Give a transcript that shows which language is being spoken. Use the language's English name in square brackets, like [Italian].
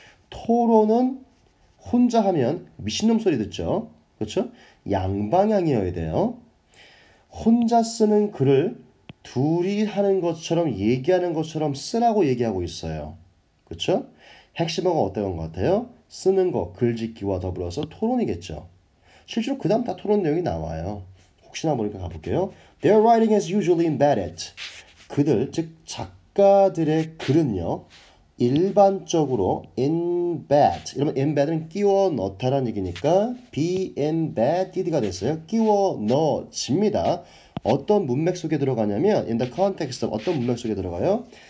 [Korean] 토론은 혼자 하면 미친놈 소리 듣죠 그렇죠 양방향이어야 돼요 혼자 쓰는 글을 둘이 하는 것처럼 얘기하는 것처럼 쓰라고 얘기하고 있어요. 그쵸? 핵심어가 어떤 것 같아요? 쓰는 거, 글짓기와 더불어서 토론이겠죠. 실제로 그 다음 다 토론 내용이 나와요. 혹시나 모르니까 가볼게요. [English] Their writing is usually embedded. [Korean] 그들, 즉 작가들의 글은요. 일반적으로 embed, 이러면 embed은 끼워 넣다라는 얘기니까 be embedded가 됐어요. 끼워 넣어집니다. 어떤 문맥 속에 들어가냐면 in the context of 어떤 문맥 속에 들어가요?